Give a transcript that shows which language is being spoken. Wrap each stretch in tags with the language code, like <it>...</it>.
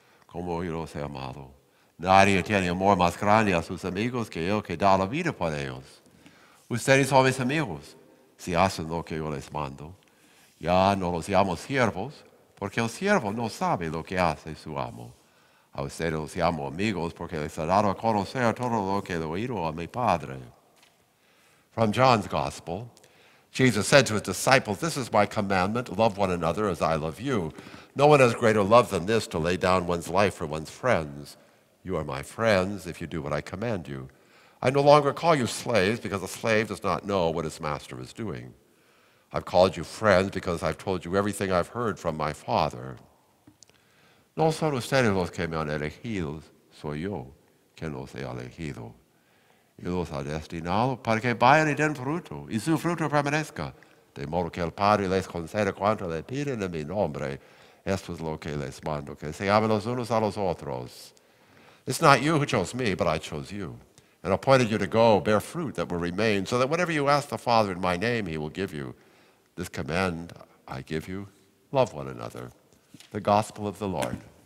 <es>Como yo los he amado. Nadie tiene amor más grande a sus amigos que el que da la vida por ellos. Ustedes son mis amigos, si hacen lo que yo les mando. Ya no los llamo siervos, porque el siervo no sabe lo que hace su amo. A ustedes los llamo amigos, porque les he dado a conocer todo lo que he oído a mi Padre.</es> <en>From John's Gospel, Jesus said to his disciples, this is my commandment, love one another as I love you. No one has greater love than this to lay down one's life for one's friends. You are my friends if you do what I command you. I no longer call you slaves because a slave does not know what his master is doing. I've called you friends because I've told you everything I've heard from my Father.</en> <es>No son ustedes los que me han elegido, soy yo quien los he elegido. Y los ha destinado para que vayan y den fruto, y su fruto permanezca, de modo que el Padre les conceda cuanto le piden en mi nombre. Esto es lo que les mando, que se amen los unos a los otros.</es> <en>It's not you who chose me, but I chose you, and appointed you to go bear fruit that will remain, so that whatever you ask the Father in my name, he will give you. This command I give you, love one another. The Gospel of the Lord.</en>